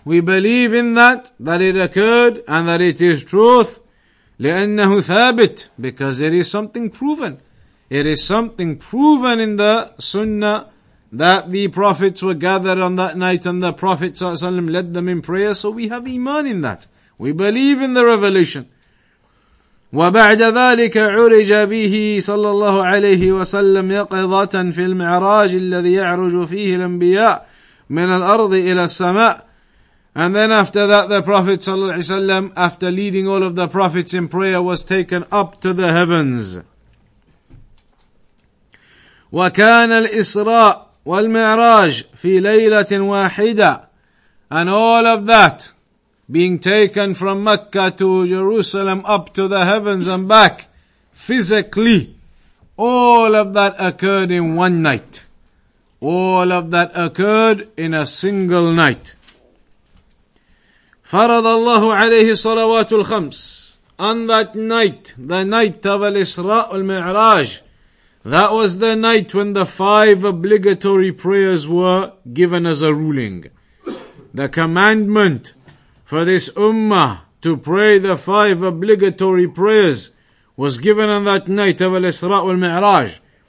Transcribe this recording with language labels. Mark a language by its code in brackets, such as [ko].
[en] We believe in that it occurred and that it is truth. [ar] لأنه ثابت, [en] because it is something proven. It is something proven in the Sunnah that the prophets were gathered on that night and the Prophet ﷺ led them in prayer. So we have iman in that. We believe in the revelation. [ar] وبعد ذلك عرج به صلى الله عليه وسلم يقظة في المعراج الذي يعرج فيه الأنبياء من الأرض إلى السماء. [en] And then after that, the Prophet ﷺ, after leading all of the prophets in prayer, was taken up to the heavens. [ar] وكان الإسراء والمعراج في ليلة واحدة. [en] And all of that being taken from Mecca to Jerusalem up to the heavens and back physically, all of that occurred in one night. All of that occurred in a single night. [ar] فرض الله عليه الصلوات الخمس. [en] On that night, the night of al-Isra al-Mi'raj, that was the night when the five obligatory prayers were given as a ruling. The commandment for this ummah to pray the five obligatory prayers was given on that night of al-Isra al-Mi'raj.